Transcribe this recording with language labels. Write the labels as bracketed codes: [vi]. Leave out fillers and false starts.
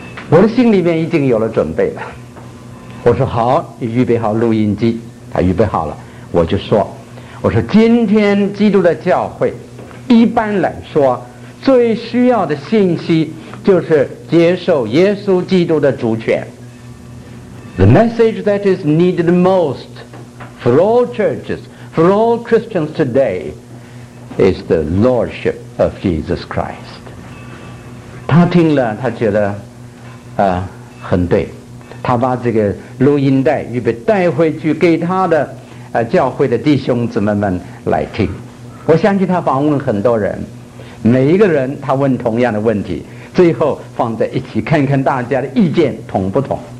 [zh] 我的心里面已经有了准备了，我说好，你预备好录音机，他预备好了，我就说，我说今天基督的教会一般来说最需要的信息就是接受耶稣基督的主权。 [en] The message that is needed most for all churches, for all Christians today, is the Lordship of Jesus Christ. [zh] 他听了，他觉得，很对。他把这个录音带预备带回去给他的，教会的弟兄姊妹们来听。我相信他访问很多人，每一个人他问同样的问题，最后放在一起看看大家的意见同不同。